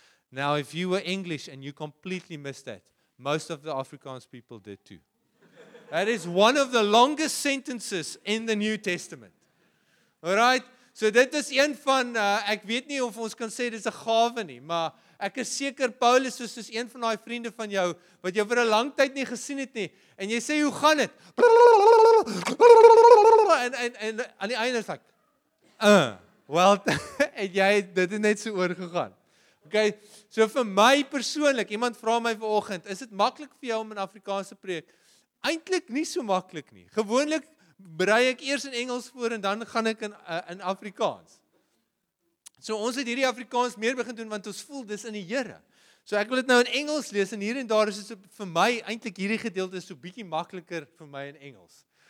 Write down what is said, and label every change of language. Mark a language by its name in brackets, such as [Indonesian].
[English] Now, if you were English and you completely missed that, most of the Afrikaans people did too. That is one of the longest sentences in the New Testament. [Afrikaans] Alright, so dit is een van, ek weet nie of ons kan sê dit is 'n gawe nie, maar Ek is seker Paulus is soos een van daai vriende van jou, wat jou vir 'n lang tyd nie gesien het nie, en jy sê, hoe gaan dit? En aan die einde is ek, en jy het dit net so oorgegaan. Okay, so vir my persoonlik, iemand vra my vanoggend, is dit maklik vir jou om in Afrikaans te preek? Eintlik nie so maklik nie. Gewoonlik berei ek eers in Engels voor, en dan gaan ek in Afrikaans. So ons het hierdie Afrikaans meer begin doen, want ons voel dis in die Here. So ek wil dit nou in Engels lees, en hier en daar is dit vir my, eintlik hierdie gedeelte is so bietjie makliker vir my in Engels.